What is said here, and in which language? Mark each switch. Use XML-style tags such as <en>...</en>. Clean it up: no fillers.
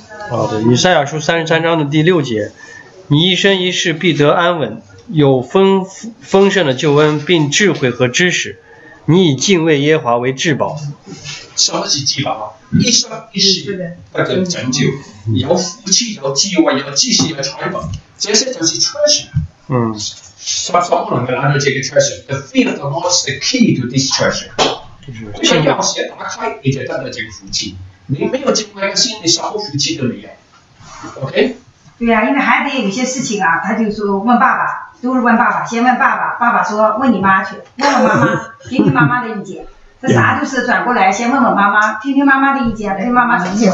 <zh>好的，以赛亚书33:3的第六节。你一生一世必得安稳，有丰盛的救恩，并智慧和知识。你以敬畏耶和华为至宝。什么是至宝？一生一世不得拯救，有福气，有智慧，有知识，有财宝，这些就是 treasure。嗯。什么不能够拿到这个 treasure？</zh> <en>The fear of the Lord is the key to this treasure。</en> <zh>就像钥匙打开，你就得到这个福气。你没有敬畏的心，你啥福气都没有。</zh> <en>OK。</en> <zh>对呀、啊，因为孩子也有些事情啊，他就说问爸爸，都是问爸爸，先问爸爸，爸爸说问你妈去，问问妈妈，听听妈妈的意见，这啥都是转过来，先问问妈妈，听听妈妈的意见，听妈妈怎么想。</zh>